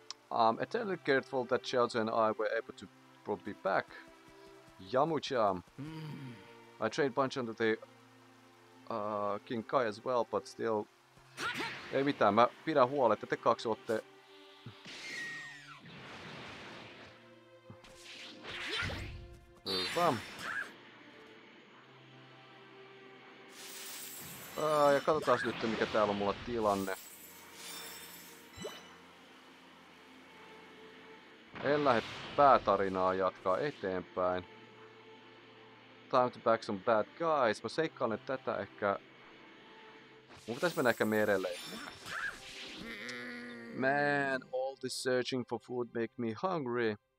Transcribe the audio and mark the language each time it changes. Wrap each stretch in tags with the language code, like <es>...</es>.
<en>I'm eternally grateful that Xiaozu and I were able to brought me back. Yamucha. I trained bunch under the King Kai as well, but still.</en> <fi>Ei mitään, mä pidän huolet, että te kaksi ootte... Hyvä. Ja katsotaas nyt, mikä täällä on mulla tilanne. En lähde päätarinaa jatkaa eteenpäin.</fi> <en>Time to back some bad guys.</en> <fi>Mä seikkailen tätä ehkä... Mun pitäis mennä ehkä merelle.</fi> <en>Man, all this searching for food make me hungry.</en>